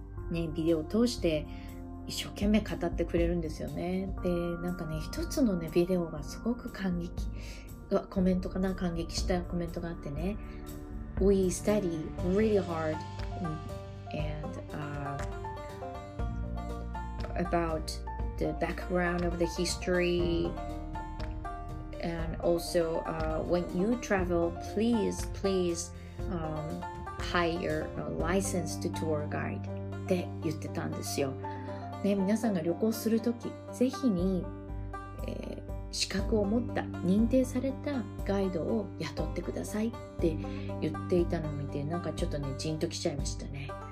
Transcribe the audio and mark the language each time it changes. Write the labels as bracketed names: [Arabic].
[Japanese] ね、ビデオを通して一生懸命語ってくれるんですよね。で、なんかね、一つのね、ビデオがすごく感激、コメントかな、感激したコメントがあってね。 [English] We study really hard and、about the background of the history. And also,、when you travel, please, please、hire a licensed tour guide. [Japanese] って言ってたんですよ。ね、皆さんが旅行するとき、ぜひに、資格を持った認定されたガイドを雇ってくださいって言っていたのを見て、なんかちょっとねジンときちゃいましたね。